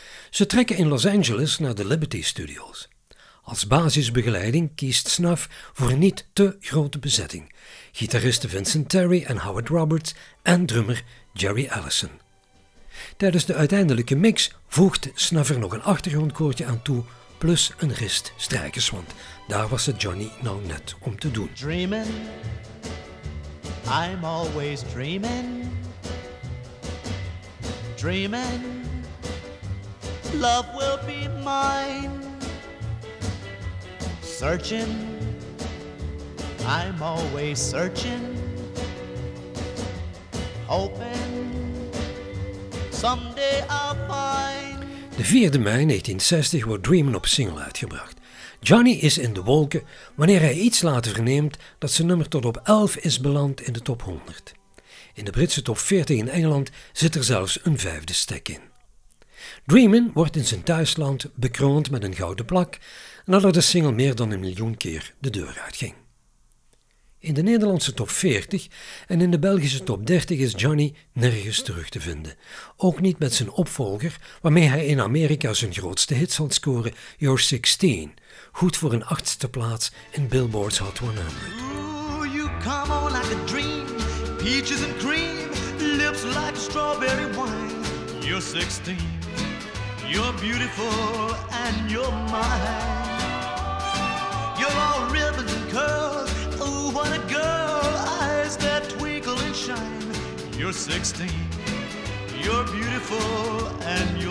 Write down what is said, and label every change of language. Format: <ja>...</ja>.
<nl>Ze trekken in Los Angeles naar de Liberty Studios. Als basisbegeleiding kiest Snuff voor een niet te grote bezetting. Gitaristen Vincent Terry en Howard Roberts en drummer Jerry Allison. Tijdens de uiteindelijke mix voegt Snuff er nog een achtergrondkoortje aan toe, plus een rist strijkers, want daar was het Johnny nou net om te doen.</nl> <en>Dreaming, I'm always dreaming. Dreaming, love will be mine. Searching, I'm always searching. Hoping, someday I'll find.</en> <nl>De 4e mei 1960 wordt Dreamin' op single uitgebracht. Johnny is in de wolken wanneer hij iets later verneemt dat zijn nummer tot op 11 is beland in de top 100. In de Britse top 40 in Engeland zit er zelfs een vijfde stek in. Dreamin' wordt in zijn thuisland bekroond met een gouden plak nadat de single meer dan een miljoen keer de deur uitging. In de Nederlandse top 40 en in de Belgische top 30 is Johnny nergens terug te vinden. Ook niet met zijn opvolger, waarmee hij in Amerika zijn grootste hit zal scoren, You're 16. Goed voor een achtste plaats in Billboard's Hot 100.</nl> <en>Ooh, you come on like a dream, peaches and cream, lips like strawberry wine. You're 16, you're beautiful and you're mine. You're all ribbons and curls. What a girl, eyes that twinkle and shine. You're 16, you're beautiful and</en>